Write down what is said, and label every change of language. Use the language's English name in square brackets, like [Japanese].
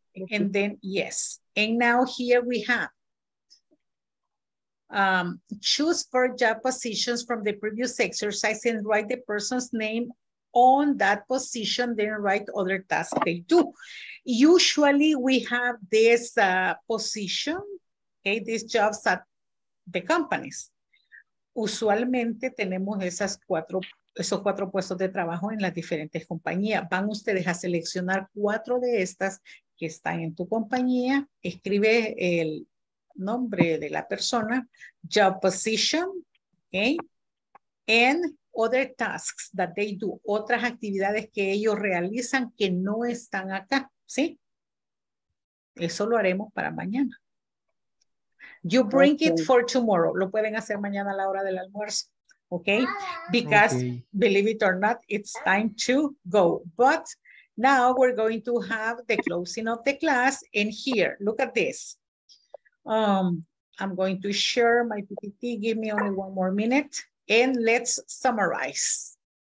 [English] And then, yes. And now here we have, choose four job positions from the previous exercise and write the person's name on that position, then write other tasks they do. Usually we have this position, okay, these jobs at the companies. [Spanish] Usualmente tenemos esos cuatro puestos de trabajo en las diferentes compañías. Van ustedes a seleccionar cuatro de estas que están en tu compañía. Escribe el nombre de la persona, [English] job position, okay, and other tasks that they do, [Spanish] otras actividades que ellos realizan que no están acá, ¿sí? Eso lo haremos para mañana. [English] You bring okay. it for tomorrow. [Spanish] Lo pueden hacer mañana a la hora del almuerzo, ¿ok? [English] Because, okay. believe it or not, it's time to go. But now we're going to have the closing of the class. And here, look at this. I'm going to share my PPT. Give me only one more minute. And let's summarize.